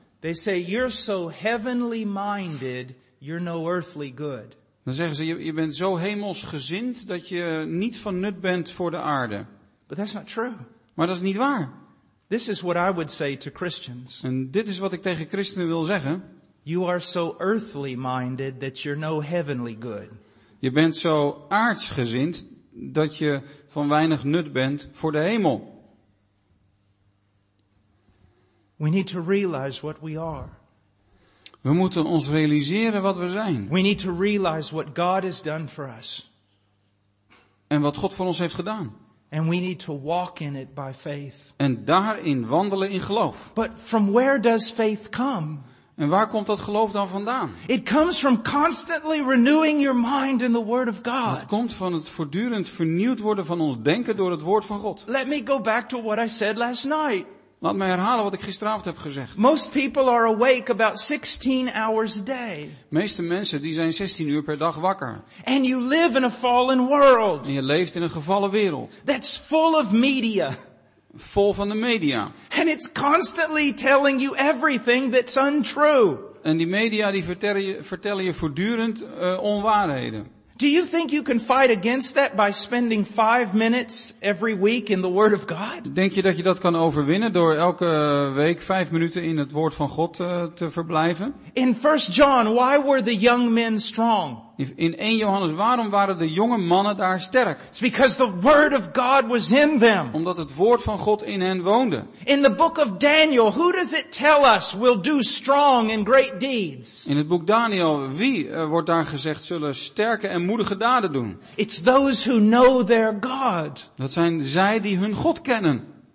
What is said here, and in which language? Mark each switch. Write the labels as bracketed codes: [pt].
[en] They say you're so heavenly minded, you're no earthly good. [nl] Dan zeggen ze je bent zo hemels gezind dat je niet van nut bent voor de aarde. [en] But that's not true. [nl] Maar dat is niet waar. [en] This is what I would say to Christians. [nl] En dit is wat ik tegen christenen wil zeggen. [en] You are so earthly minded that you're no heavenly good. [nl] Je bent zo aards gezind dat je van weinig nut bent voor de hemel. [en] We need to realize what we are. [nl] We moeten ons realiseren wat we zijn. [en] We need to realize what God has done for us. [nl] En wat God voor ons heeft gedaan. [en] And we need to walk in it by faith. [nl] En daarin wandelen in geloof. [en] But from where does faith come? [nl] En waar komt dat geloof dan vandaan? [en] It comes from constantly renewing your mind in the word of God. [nl] Het komt van het voortdurend vernieuwd worden van ons denken door het woord van God. [en] Let me go back to what I said last night. [nl] Laat mij herhalen wat ik gisteravond heb gezegd. [en] Most people are awake about 16 hours a day. [nl] Meeste mensen die zijn 16 uur per dag wakker. [en] And you live in a fallen world. [nl] En je leeft in een gevallen wereld. [en] That's full of media. [nl] Vol van de media. [en] And it's constantly telling you everything that's untrue. [nl] En die media die vertellen je voortdurend onwaarheden. [en] Do you think you can fight against that by spending 5 minutes every week in the Word of God? [nl] Denk je dat je dat kan overwinnen door elke week 5 minuten in het Woord van God te verblijven? [en] In 1 John, why were the young men strong? [nl] In 1 Johannes, waarom waren de jonge mannen daar sterk? [en] It's because the Word of God was in them. [nl] Omdat het Woord van God in hen woonde. [en] In the book of Daniel, who does it tell us will do strong and great deeds? [nl] In het boek Daniel, wie wordt daar gezegd zullen sterke en moedige daden doen? [en] It's those who know their God. [nl] Dat zijn zij die hun God kennen.